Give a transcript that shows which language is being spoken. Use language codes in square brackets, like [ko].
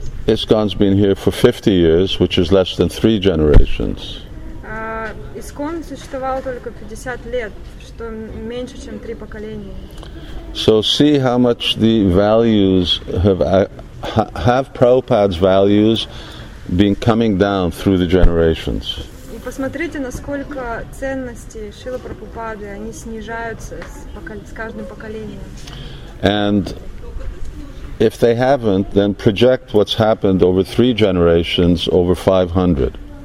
[en] ISKCON's been here for 50 years, which is less than 3 generations. [ru] ISKCON существовал только 50 лет, что меньше, чем 3 поколения. [en] So see how much the values have Prabhupada's values been coming down through the generations. [ru] И посмотрите, насколько ценности Шрилы Прабхупады, они снижаются с каждым поколением. [en] And if they haven't, then project what's happened over 3 generations, over 500.